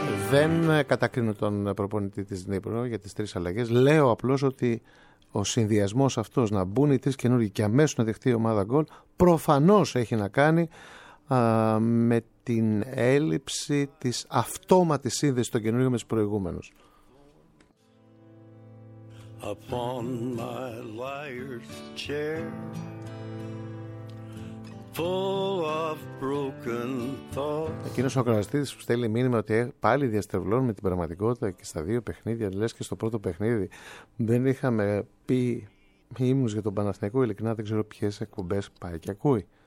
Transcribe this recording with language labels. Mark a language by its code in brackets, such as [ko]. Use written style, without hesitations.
[el] Δεν κατακρίνω τον προπονητή της Νίπρο για τις τρεις αλλαγές, λέω απλώς ότι ο συνδυασμός αυτός, να μπουν οι τρεις καινούργοι και αμέσως να δεχτεί η ομάδα γκολ, προφανώς έχει να κάνει με την έλλειψη της αυτόματης σύνδεσης των καινούργων με τους προηγούμενους. [en] Upon my liar's chair, full of broken thoughts. [el] Εκείνος ο ακροαστής που στέλνει μήνυμα ότι πάλι διαστρεβλώνουμε την πραγματικότητα και στα δύο παιχνίδια, λες και στο πρώτο παιχνίδι δεν είχαμε πει ύμνους για τον Παναθηναϊκό, ειλικρινά δεν ξέρω ποιες εκπομπές πάει και ακούει.